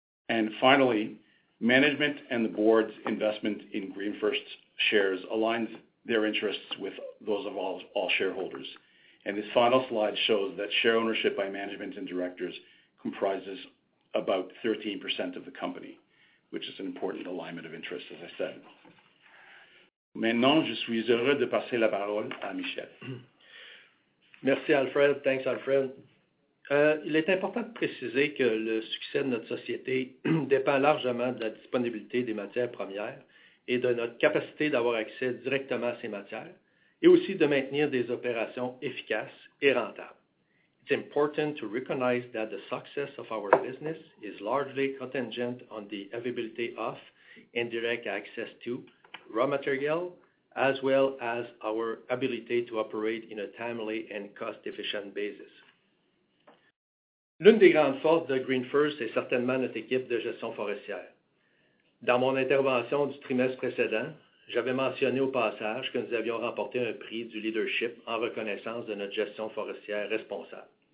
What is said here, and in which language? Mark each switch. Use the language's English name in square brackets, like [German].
[English] And finally, management and the board's investment in GreenFirst shares aligns their interests with those of all shareholders. And this final slide shows that share ownership by management and directors comprises about 13% of the company, which is an important alignment of interest, as I said. [French] Maintenant, je suis heureux de passer la parole à Michel. Merci, Alfred. [English] Thanks, [French] Alfred. Il est important de préciser que le succès de notre société dépend largement de la disponibilité des matières premières et de notre capacité d'avoir accès directement à ces matières et aussi de maintenir des opérations efficaces et rentables. [English] It's important to recognize that the success of our business is largely contingent on the availability of and direct access to raw material, as well as our ability to operate in a timely and cost-efficient basis. [French] L'une des grandes forces de GreenFirst est certainement notre équipe de gestion forestière. Dans mon intervention du trimestre précédent, J'avais mentionné au passage que nous avions remporté un prix du leadership en reconnaissance de notre gestion forestière responsable.